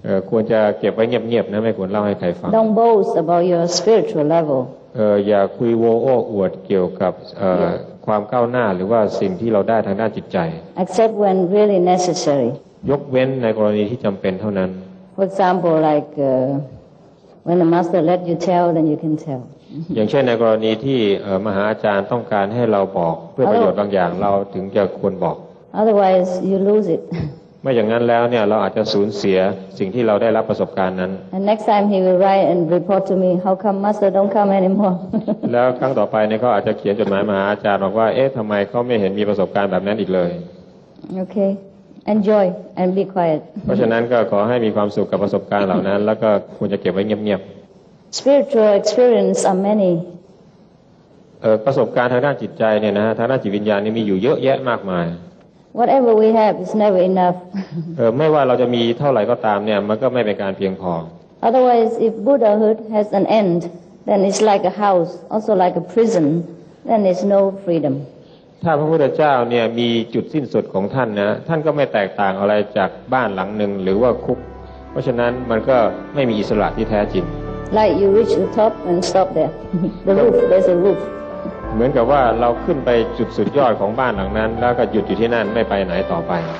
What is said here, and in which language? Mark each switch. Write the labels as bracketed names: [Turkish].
[Thai] ควรจะเก็บไว้เงียบๆนะไม่ควรเล่าให้ใครฟัง [English] Don't boast about your spiritual level [Thai] อย่าคุยโว้โอ้อวดเกี่ยวกับความก้าวหน้าหรือว่าสิ่งที่เราได้ทางด้านจิตใจ [English] Except when really necessary [Thai] ยกเว้นในกรณีที่จำเป็นเท่านั้น [English] For example like when the master let you tell then you can tell [Thai] อย่างเช่นในกรณีที่มหาอาจารย์ต้องการให้เราบอกเพื่อประโยชน์บางอย่างเราถึงจะควรบอก [English] Otherwise you lose it [Thai] ไม่อย่างนั้นแล้วเนี่ยเราอาจจะสูญเสียสิ่งที่เราได้รับประสบการณ์นั้น [English] And next time he will write and report to me how come master don't come anymore [Thai] แล้วครั้งต่อไปเนี่ยเขาอาจจะเขียนจดหมายมหาอาจารย์บอกว่าเอ๊ะทำไมเขาไม่เห็นมีประสบการณ์แบบนั้นอีกเลย [English] Okay enjoy and be quiet [Thai] เพราะฉะนั้นก็ขอให้มีความสุขกับประสบการณ์เหล่านั้นแล้วก็ควรจะเก็บไว้เงียบ [English] Spiritual experience are many. [Thai] ประสบการณ์ทางด้านจิตใจเนี่ยนะฮะทางด้านจิตวิญญาณนี่มีอยู่เยอะแยะมากมาย [English] Whatever we have is never enough. [Thai] ไม่ว่าเราจะมีเท่าไหร่ก็ตามเนี่ยมันก็ไม่เป็นการเพียงพอ [English] Otherwise, if Buddhahood has an end, then it's like a house, also like a prison, then there's no freedom. [Thai] ถ้าพระพุทธเจ้าเนี่ยมีจุดสิ้นสุดของท่านนะท่านก็ไม่แตกต่างอะไรจากบ้านหลังหนึ่งหรือว่าคุกเพราะฉะนั้นมันก็ไม่มีอิสระที่แท้จริง [English] Like you reach the top and stop there. The roof, there's a roof. [Thai] เหมือนกับว่าเราขึ้นไปจุดสุดยอดของบ้านหลังนั้นแล้วก็หยุดอยู่ที่นั่นไม่ไปไหนต่อไป